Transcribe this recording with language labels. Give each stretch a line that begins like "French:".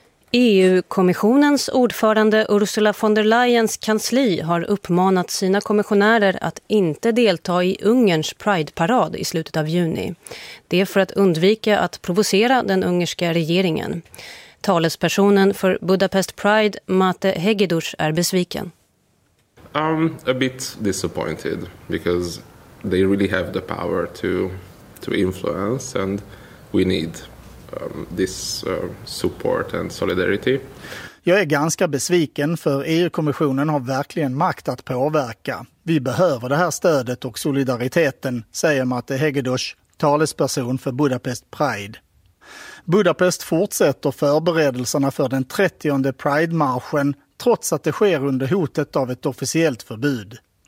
Swedish: EU-kommissionens ordförande Ursula von der Leyens kansli har uppmanat sina kommissionärer att inte delta i Ungerns Pride-parad i slutet av juni. Det är för att undvika att provocera den ungerska regeringen. Talespersonen för Budapest Pride, Mate Hegedus, är besviken.
English: I'm a bit disappointed because they really have the power to influence and we need support and solidarity.
Swedish: Jag är ganska besviken för EU-kommissionen har verkligen makt att påverka. Vi behöver det här stödet och solidariteten, säger Mate Hegedus, talesperson för Budapest Pride. Budapest fortsätter förberedelserna för den 30:e Pride-marschen trots att det sker under hotet av ett officiellt förbud.